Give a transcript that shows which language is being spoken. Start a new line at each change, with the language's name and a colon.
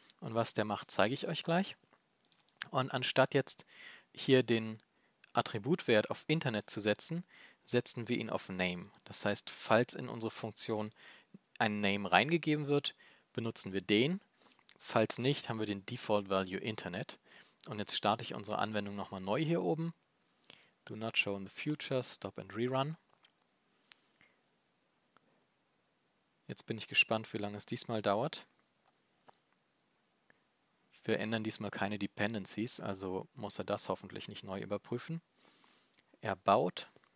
German: Und was der macht, zeige ich euch gleich. Und anstatt jetzt hier den Attributwert auf Internet zu setzen, setzen wir ihn auf Name. Das heißt, falls in unsere Funktion ein Name reingegeben wird, benutzen wir den. Falls nicht, haben wir den Default Value Internet. Und jetzt starte ich unsere Anwendung nochmal neu hier oben.
English: Do not show in the future, stop and rerun.
German: Jetzt bin ich gespannt, wie lange es diesmal dauert. Wir ändern diesmal keine Dependencies, also muss er das hoffentlich nicht neu überprüfen. Er baut.